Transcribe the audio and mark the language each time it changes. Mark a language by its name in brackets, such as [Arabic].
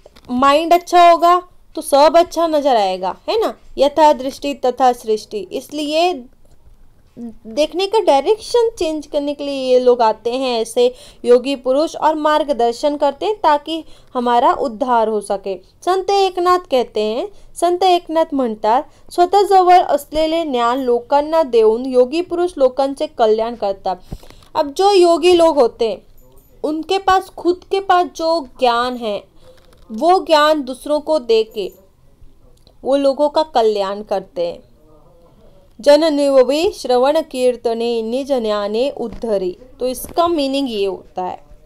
[Hindi] Mind अच्छा होगा तो सब अच्छा नजर आएगा, है ना, यथा दृष्टि तथा सृष्टि। इसलिए देखने का डायरेक्शन चेंज करने के लिए ये लोग आते हैं ऐसे योगी पुरुष और मार्गदर्शन करते हैं ताकि हमारा उद्धार हो सके। संत एकनाथ कहते हैं, [Marathi] संत एकनाथ म्हणतात, स्वतः जवळ असलेले ज्ञान लोकांना देऊन योगी पुरुष लोकांचे कल्याण करतात। [Hindi] अब जो योगी लोग होते हैं उनके पास खुद के पास जो ज्ञान है वो ज्ञान दूसरों को देके वो लोगों का कल्याण करते हैं। [Marathi] जननिवि श्रवण कीर्तने निज ज्ञाने उद्धरी, [Hindi] तो इसका मीनिंग ये होता है।